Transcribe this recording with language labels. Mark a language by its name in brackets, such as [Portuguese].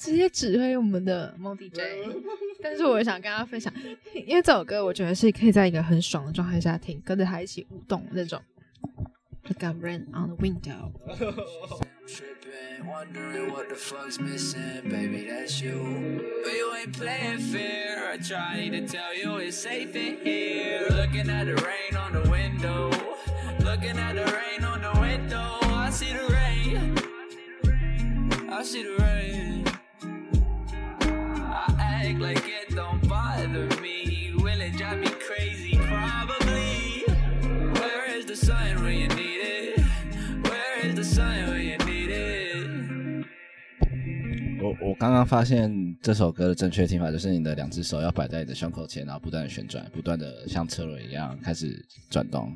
[Chinese] 指挥我们的 Mon DJ， 但是我想跟他分享，因为这首歌我觉得是可以在一个很爽的状态下听，跟着他一起舞动那种。 [English] Look at rain on the window. Wondering what the fuck's missing, baby, that's you. But you ain't playing fair. I tried to tell you it's safe in here. Looking at the rain on the window. Looking at the rain on the window. I see the rain. I see the rain. Like it don't bother me. Will it drive me crazy? Probably. Where is the sign when you need it? Where is the sign when you need it? [Chinese] 我刚刚发现这首歌的正确听法就是你的两只手要摆在你的胸口前，然后不断的旋转，不断的像车轮一样开始转动。